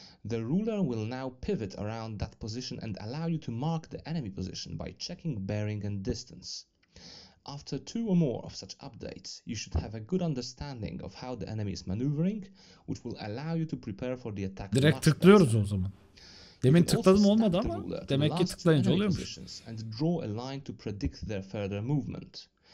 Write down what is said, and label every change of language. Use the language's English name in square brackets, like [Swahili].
[English] The ruler will now pivot around that position and allow you to mark the enemy position by checking bearing and distance. After two or more of such updates, you should have a good understanding of how the enemy is maneuvering, which will allow you to prepare for the attack. [Turkish] Direkt tıklıyoruz o zaman. Demin tıkladım olmadı ama demek ki tıklayınca oluyormuş. [English] And draw a line to predict their further movement.